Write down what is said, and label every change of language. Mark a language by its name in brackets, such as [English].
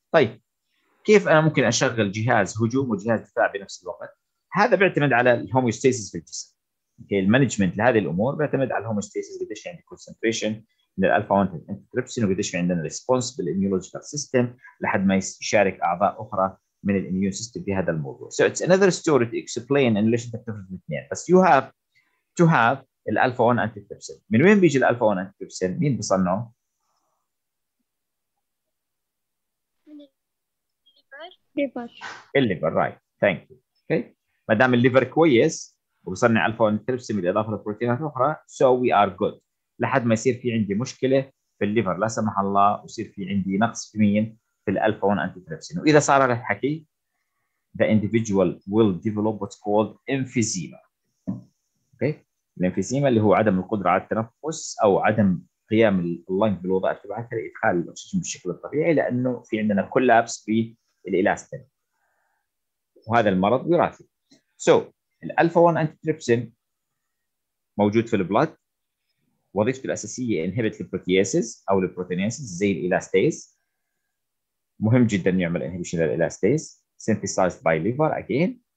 [Arabic] طيب كيف انا ممكن اشغل جهاز هجوم وجهاز دفاع بنفس الوقت؟ هذا بيعتمد على الهوميوستاسيس في الجسم. اوكي، المانجمنت لهذه الامور بيعتمد على الهوميوستاسيس، قديش عندي كونسنتريشن من الالفا 1 انتربسين، وقديش في عندنا ريسبونس بالاميولوجيكال سيستم لحد ما يشارك اعضاء اخرى من الاميون سيستم في هذا الموضوع. [English] So it's another story to explain [Arabic] ان ليش بتفرق الاثنين، بس [English] you have to have الالفا 1 antitrypsin. [Arabic] من وين بيجي الالفا 1 انتربسين؟ مين بصنعه؟ الليفر. [English] Right, thank you. [Arabic] اوكي، ما دام الليفر كويس وبصنع الفا 1 انتربسين بالاضافه لبروتينات اخرى، [English] so we are good, [Arabic] لحد ما يصير في عندي مشكله في الليفر لا سمح الله، ويصير في عندي نقص في مين؟ في الالفا 1 انتي تريبسين. واذا صار هذا الحكي [English] the individual will develop what's called emphysema. [Arabic] اوكي، الانفيزيما اللي هو عدم القدره على التنفس او عدم قيام اللنج بالوظائف تبعتها لادخال الاكسجين بالشكل الطبيعي، لانه في عندنا كولابس بالالاستين، وهذا المرض وراثي. سو الالفا 1 انتي تريبسين موجود في البلد، وظيفته الاساسيه انهبت البروتياسز او البروتينيسز زي الالاستيز، مهم جدا يعمل انهبيشن للالاستيز [English] synthesized by liver again.